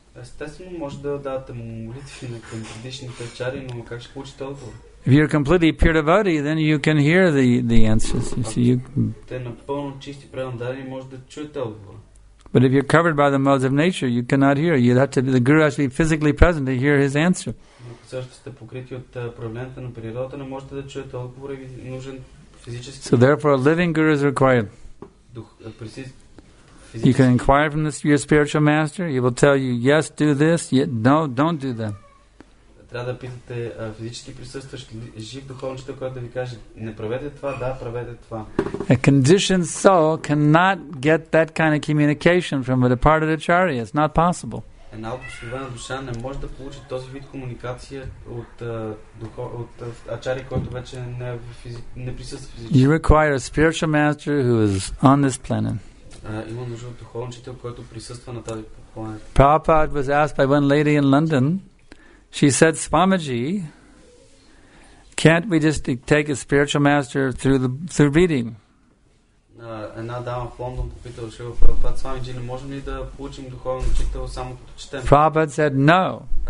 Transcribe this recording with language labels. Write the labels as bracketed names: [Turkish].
[English] If you're completely pure devotee, then you can hear the answers. You see, but if you're covered by the modes of nature, you cannot hear. You have to be, the guru has to be physically present to hear his answer. [Bulgarian] Също сте покрити от проявленията на природата, не можете да чуете отговора и ви нужен физически. [English] So therefore a living guru is required. You can inquire from your spiritual master, he will tell you yes, do this, no, don't do that. [Bulgarian] Трябва да питате физически присъстващ жив духовен учител, който да ви каже не правете това, да, правете това. [English] A conditioned soul cannot get that kind of communication from a departed acharya. It's not possible. [Bulgarian] Една обусловена душа не може да получи този вид комуникация от ачари, който вече не присъства физически. [English] You require a spiritual master who is on this planet. [Bulgarian] Има нужда от духовен учител, който присъства на тази планета. [English] Prabhupada was asked by one lady in London. She said, Swamiji, Can't we just take a spiritual master through the through reading? Prabhupada said no.